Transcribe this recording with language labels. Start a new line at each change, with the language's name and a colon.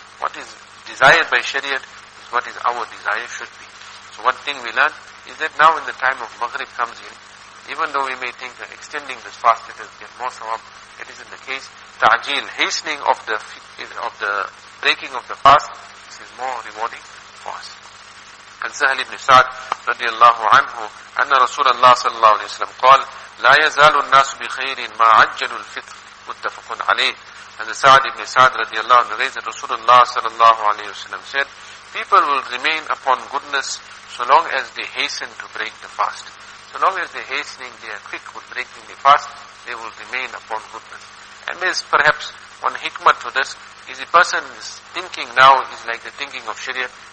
English: What is desired by Shariat is what is our desire should be. So one thing we learn is that now in the time of Maghrib comes in, even though we may think that extending this fast, let us get more sawab, it isn't the case. Ta'jeel, hastening of the breaking of the fast, this is more rewarding for us.
Arabic: عن سهل بن سعد رضي الله عنه أن رسول الله صلى الله عليه وسلم قال لا يزال الناس بخير ما عجلوا الفطر. متفق عليه. عن سعد بن سعد رضي الله عنه رضي رسول الله صلى الله عليه وسلم
English: said people will remain upon goodness so long as they hasten to break the fast. So long as they hastening, they are quick with breaking the fast, they will remain upon goodness. And there is perhaps one hikmat to this, is the person's thinking now is like the thinking of Shariah.